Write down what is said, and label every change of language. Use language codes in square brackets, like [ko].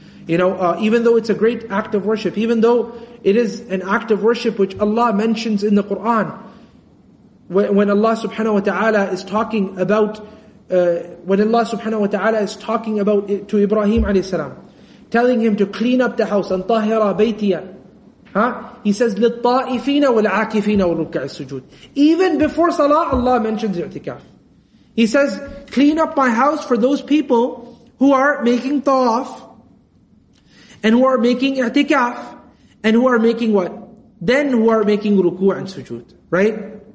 [en] You know, even though it's a great act of worship, even though it is an act of worship which Allah mentions in the Quran, when Allah subhanahu wa ta'ala is talking about, when Allah subhanahu wa ta'ala is talking about it, to Ibrahim alayhi salam, telling him to clean up the house, and [ar] tahira baytiya. [en] Huh? [ar] He says, لِلطَّائِفِينَ وَالْعَاكِفِينَ وَالرُّكَّعِ السُّجُودِ. [en] Even before salah, Allah mentions i'tikaf. He says, clean up my house for those people who are making tawaf, and who are making i'tikaf, and who are making what? Then who are making ruku' and sujood. Right?